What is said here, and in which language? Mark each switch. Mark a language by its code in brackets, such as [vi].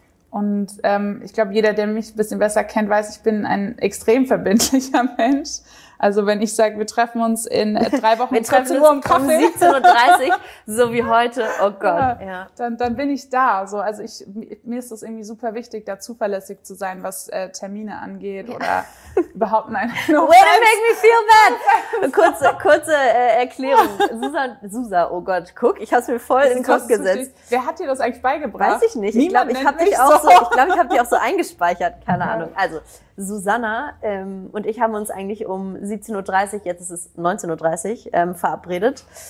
[de] Und ich glaube, jeder, der mich ein bisschen besser kennt, weiß, ich bin ein extrem verbindlicher Mensch. Also wenn ich sage, wir treffen uns in 3 Wochen um 13 Uhr im Kaffee. 17:30 Uhr, so wie heute, oh Gott. Ja. Ja. Dann bin ich da. So, also ich, mir ist das irgendwie super wichtig, da zuverlässig zu sein, was Termine angeht oder überhaupt nein. [en] No way to make me feel bad. [de] Kurze Erklärung. Susa, oh Gott, guck, ich habe es mir voll in den Kopf gesetzt. Richtig. Wer hat dir das eigentlich beigebracht? Weiß ich nicht. Niemand, ich glaube, ich habe dich auch so eingespeichert. Keine Ahnung. Also Susanna und ich haben uns eigentlich um 17.30 Uhr, jetzt ist es 19.30 Uhr, verabredet.